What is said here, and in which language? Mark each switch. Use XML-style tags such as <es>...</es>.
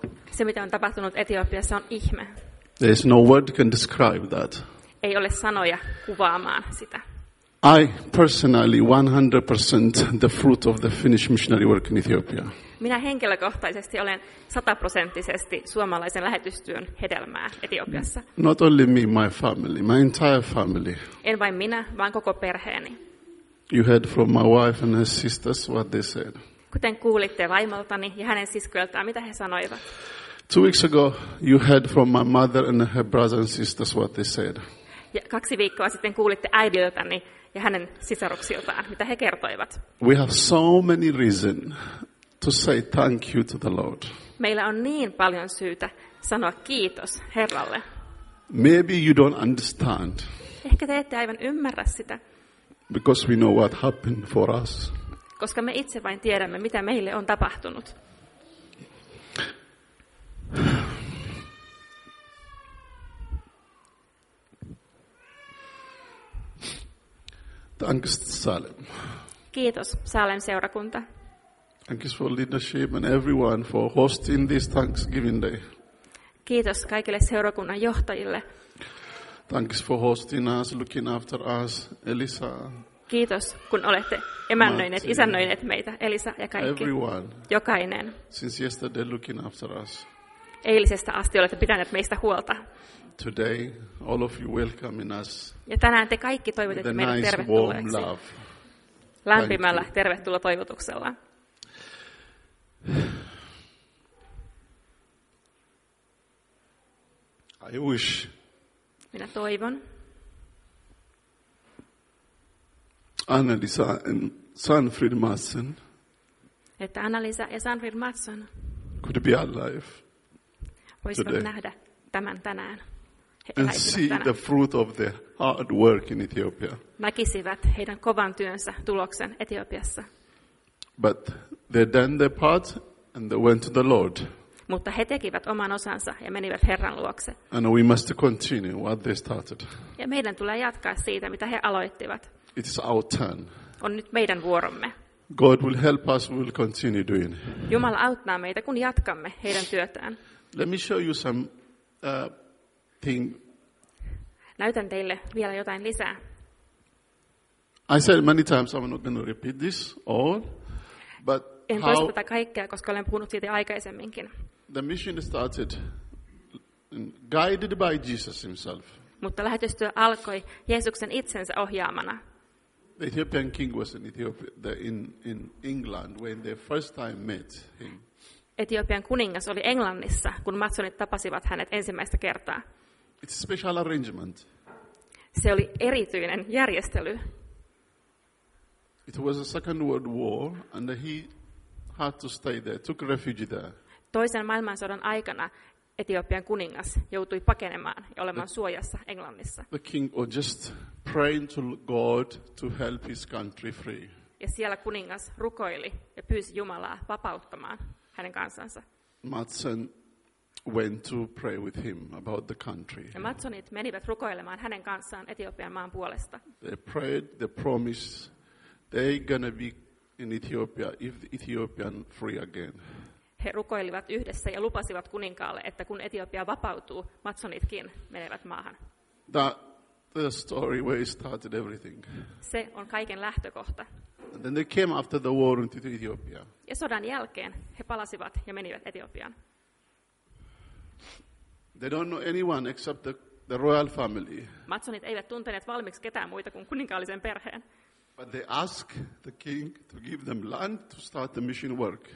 <fi>Se, mitä on tapahtunut Etiopiassa, on ihme.</fi> <en>There's no word can describe that.</en> <fi>Ei ole sanoja kuvaamaan sitä.</fi> <en>I personally 100% the fruit of the Finnish missionary work in Ethiopia.</en> <fi>Minä henkilökohtaisesti olen 100% suomalaisen lähetystyön hedelmää Etiopiassa.</fi> <en>Not only me, my family, my entire family.</en> <fi>En vain minä, vaan koko perheeni.</fi> <en>You heard from my wife and her sisters what they said.</en> <fi>Kuten kuulitte vaimoltani ja hänen siskoiltaan, mitä he sanoivat.</fi> <en>2 weeks ago you heard from my mother and her brothers and sisters what they said.</en> <fi>ja 2 viikkoa sitten kuulitte äidiltäni ja hänen sisaruksiltaan, mitä he kertoivat.</fi> <en>We have so many reason to say thank you to the Lord.</en> <fi>Meillä on niin paljon syytä sanoa kiitos Herralle.</fi> <en>Maybe you don't understand.</en> <fi>Ehkä te ette aivan ymmärrä sitä.</fi> <en>Because we know what happened for us.</en> <fi>Koska me itse vain tiedämme, mitä meille on tapahtunut.</fi> <en>Thanks, Salem.</en> <fi>Kiitos, Salem seurakunta.</fi> <en>Thanks for leadership and everyone for hosting this Thanksgiving day.</en> <fi>Kiitos kaikille seurakunnan johtajille.</fi> <en>Thanks for hosting us, looking after us, Elisa.</en> <fi>Kiitos, kun olette emännöineet, isännöineet meitä, Elisa ja kaikki.</fi> <en>Everyone.</en> <fi>Jokainen.</fi> <en>Since yesterday, looking after us.</en> <fi>Eilisestä asti olette pitäneet meistä huolta.</fi> <en>Today, all of you welcoming us.</en> <fi>Ja tänään te kaikki toivotitte meidät</fi> <en>nice,</en> <fi>tervetulleeksi. Lämpimällä tervetuloa toivotuksella.</fi> <en>I wish.</en> <fi>Minä toivon.</fi> <en>Anna-Lisa and Sanfrid Madsen.</en> <fi>Että Anna-Lisa ja Sanfrid Madsen.</fi> <en>Could be alive.</en> <fi>Voisivat nähdä tämän tänään.</fi> <en>And see the fruit of their hard work in Ethiopia.</en> <fi>Näkisivät heidän kovan työnsä tuloksen Etiopiassa.</fi> <en>But they done their part and they went to the Lord.</en> <fi>Mutta he tekivät oman osansa ja menivät Herran luokse.</fi> <en>And we must continue what they started.</en> <fi>Ja meidän tulee jatkaa siitä, mitä he aloittivat.</fi> <en>It is our turn.</en> <fi>On nyt meidän vuoromme.</fi> <en>God will help us, we will continue doing.</en> <fi>Jumala auttaa meitä, kun jatkamme heidän työtään.</fi> <en>Let me show you some thing.</en> <fi>Näytän teille vielä jotain lisää.</fi> <en>I said many times I'm not going to repeat this all, but</en> <fi>en toista tätä kaikkea, koska olen puhunut siitä aikaisemminkin.</fi> <en>The mission started guided by Jesus himself.</en> <fi>Mutta lähetystyö alkoi Jeesuksen itsensä ohjaamana.</fi> <en>The Ethiopian king was in Ethiopia, in England when they first time met him.</en> <fi>Etiopian kuningas oli Englannissa, kun Madsenit tapasivat hänet ensimmäistä kertaa.</fi> <en>It's a special arrangement.</en> <fi>Se oli erityinen järjestely.</fi> <en>It was a Second World War and he had to stay there, took refuge there.</en> <fi>Toisen maailmansodan aikana Etiopian kuningas joutui pakenemaan ja olemaan suojassa Englannissa.</fi> <en>The king was just praying to God to help his country free.</en> <fi>Ja siellä kuningas rukoili ja pyysi Jumalaa vapauttamaan hänen kansansa.</fi> <en>Madsen went to pray with him about the country.</en> <fi>Ja Madsenit menivät rukoilemaan hänen kanssaan Etiopian maan puolesta.</fi> <en>They prayed, they promised they're gonna be in Ethiopia if the Ethiopian free again.</en> <fi>He rukoilivat yhdessä ja lupasivat kuninkaalle, että kun Etiopia vapautuu, Madsenitkin menevät maahan.</fi> <en>The story where it started everything.</en> <fi>Se on kaiken lähtökohta.</fi> <en>And then they came after the war into Ethiopia.</en> <fi>Ja sodan jälkeen he palasivat ja menivät Etiopiaan.</fi> <en>They don't know anyone except the royal family.</en> <fi>Madsenit eivät tunteneet valmiiksi ketään muita kuin kuninkaallisen perheen.</fi> <en>But they ask the king to give them land to start the mission work.</en>